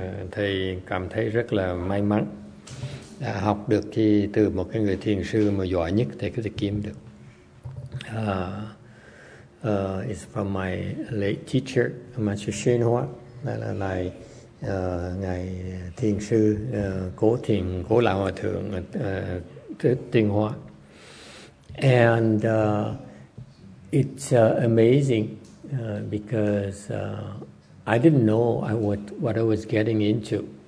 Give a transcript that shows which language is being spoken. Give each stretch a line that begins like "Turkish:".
Vietnamese: Thầy cảm thấy rất là may mắn đã học được cái, từ một cái người thiền sư mà giỏi nhất thầy có thể kiếm được.
English: It's from my late teacher, Master Xuyên Hoa.
Vietnamese: Đó là lại ngài thiền sư cố thiền cố lão hòa thượng Tuyên Hoa.
English: And it's amazing. Because I didn't know what I was getting into.